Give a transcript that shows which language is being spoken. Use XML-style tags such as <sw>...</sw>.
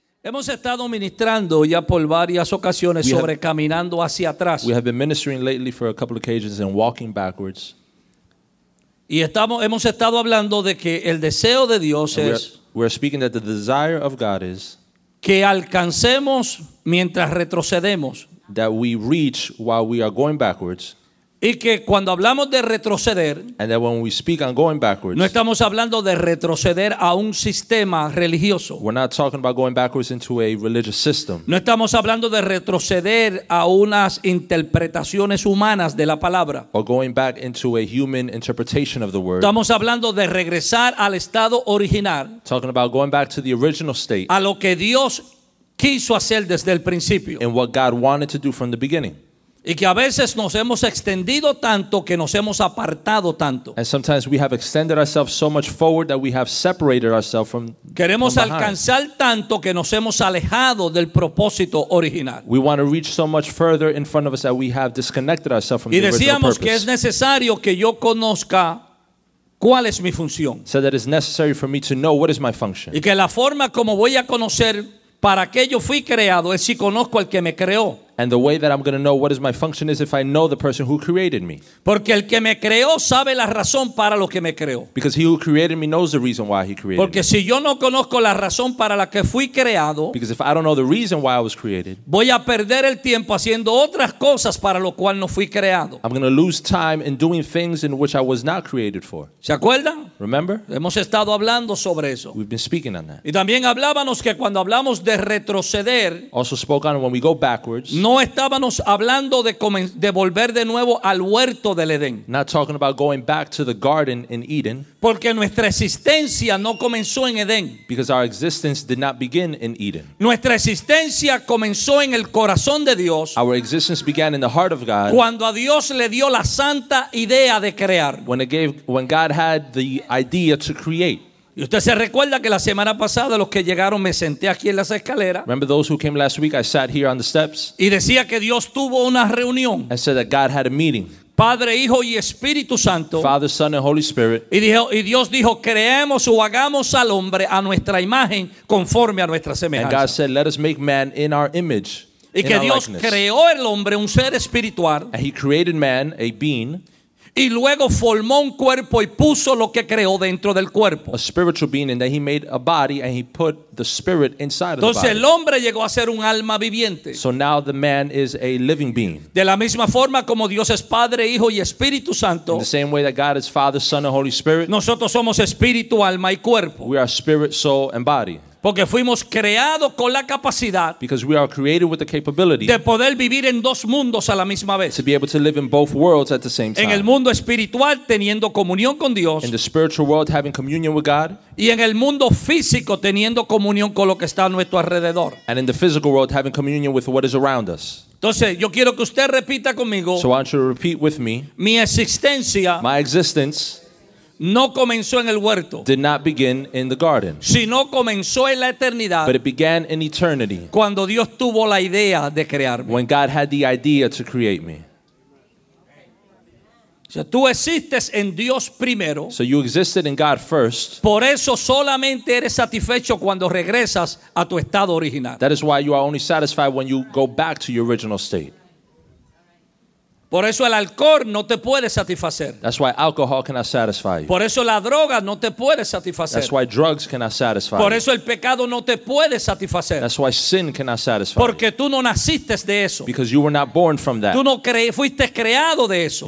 <es>Hemos estado ministrando ya por varias ocasiones sobre caminando hacia atrás.</es> <en>We have been ministering lately for a couple of occasions and walking backwards.</en> <es>Y hemos estado hablando de que el deseo de Dios es</es> <en>we're speaking that the desire of God is</en> <es>que alcancemos mientras retrocedemos.</es> <en>That we reach while we are going backwards.</en> <es>Y que cuando hablamos de retroceder,</es> <en>and that when we speak on going backwards,</en> <es>no estamos hablando de retroceder a un sistema religioso.</es> <en>We're not talking about going backwards into a religious system.</en> <es>No estamos hablando de retroceder a unas interpretaciones humanas de la palabra.</es> <en>Or going back into a human interpretation of the word.</en> <es>Estamos hablando de regresar al estado original.</es> <en>Talking about going back to the original state.</en> <es>A lo que Dios quiso hacer desde el principio.</es> <en>And what God wanted to do from the beginning.</en> <es>Y que a veces nos hemos extendido tanto que nos hemos apartado tanto.</es> <en>And sometimes we have extended ourselves so much forward that we have separated ourselves from behind.</en> <es>Queremos alcanzar tanto que nos hemos alejado del propósito original.</es> <en>We want to reach so much further in front of us that we have disconnected ourselves from the original purpose.</en> <es>Y decíamos que es necesario que yo conozca cuál es mi función.</es> <en>So that it's necessary for me to know what is my function.</en> <es>Y que la forma como voy a conocer para qué yo fui creado es si conozco al que me creó.</es> <en>And the way that I'm going to know what is my function is if I know the person who created me.</en> <es>Porque el que me creó sabe la razón para lo que me creó.</es> <en>Because he who created me knows the reason why he created</en> <es>Porque</es> <en>me.</en> <es>Porque si yo no conozco la razón para la que fui creado,</es> <en>because if I don't know the reason why I was created,</en> <es>voy a perder el tiempo haciendo otras cosas para lo cual no fui creado.</es> <en>I'm going to lose time in doing things in which I was not created for.</en> <es>¿Se acuerdan?</es> <en>Remember?</en> <es>Hemos estado hablando sobre eso.</es> <en>We've been speaking on that.</en> <es>Y también hablábamos que cuando hablamos de retroceder,</es> <en>also spoke on when we go backwards,</en> <es>no estábamos hablando de volver de nuevo al huerto del Edén.</es> <en>Not talking about going back to the garden in Eden.</en> <es>Porque nuestra existencia no comenzó en Edén.</es> <en>Because our existence did not begin in Eden.</en> <es>Nuestra existencia comenzó en el corazón de Dios.</es> <en>Our existence began in the heart of God.</en> <es>Cuando a Dios le dio la santa idea de crear.</es> <en>When God had the idea to create.</en> <es>Y usted se recuerda que la semana pasada los que llegaron me senté aquí en las escaleras.</es> <en>Remember those who came last week, I sat here on the steps.</en> <es>Y decía que Dios tuvo una reunión.</es> <en>And said that God had a meeting.</en> <es>Padre, Hijo y Espíritu Santo.</es> <en>Father, Son and Holy Spirit.</en> <es>Y Dios dijo, creemos o hagamos al hombre a nuestra imagen conforme a nuestra semejanza.</es> <en>And God said, let us make man in our image.</en> <es>Y que Dios creó el hombre un ser espiritual.</es> <en>And he created man, a being.</en> <es>Y luego formó un cuerpo y puso lo que creó dentro del cuerpo.</es> <en>A spiritual being, and then he made a body and he put the spirit inside of the body.</en> <es>Entonces el hombre llegó a ser un alma viviente.</es> <en>So now the man is a living being.</en> <es>De la misma forma como Dios es Padre, Hijo y Espíritu Santo.</es> <en>In the same way that God is Father, Son and Holy Spirit.</en> <es>Nosotros somos espíritu, alma y cuerpo.</es> <en>We are spirit, soul and body.</en> <es>Porque fuimos creados con la capacidad</es> <en>because we are created with the capability</en> <es>de poder vivir en dos mundos a la misma vez.</es> <en>To be able to live in both worlds at the same time.</en> <es>En el mundo espiritual teniendo comunión con Dios.</es> <en>In the spiritual world having communion with God.</en> <es>Y en el mundo físico teniendo comunión con lo que está a nuestro alrededor.</es> <en>And in the physical world having communion with what is around us.</en> <es>Entonces, yo quiero que usted repita conmigo.</es> <en>So I want you to repeat with me.</en> <es>Mi existencia.</es> <en>My existence.</en> <es>No comenzó en el huerto.</es> <en>Did not begin in the garden.</en> <es>Sino comenzó en la eternidad.</es> <en>But it began in eternity.</en> <es>Cuando Dios tuvo la idea de crearme.</es> <en>When God had the idea to create me.</en> <es>O sea, tú existes en Dios primero.</es> <en>So you existed in God first.</en> <es>Por eso solamente eres satisfecho cuando regresas a tu estado original.</es> <en>That is why you are only satisfied when you go back to your original state.</en> <es>Por eso el alcohol no te puede satisfacer.</es> <en>That's why alcohol cannot satisfy you.</en> <es>Por eso la droga no te puede satisfacer.</es> <en>That's why drugs cannot satisfy</en> <es>Por eso el pecado no te puede satisfacer.</es> <en>That's why sin cannot satisfy</en> <es>Porque tú no naciste de eso.</es> <en>Because you were not born from that.</en> <es>Tú no fuiste creado de eso.</es>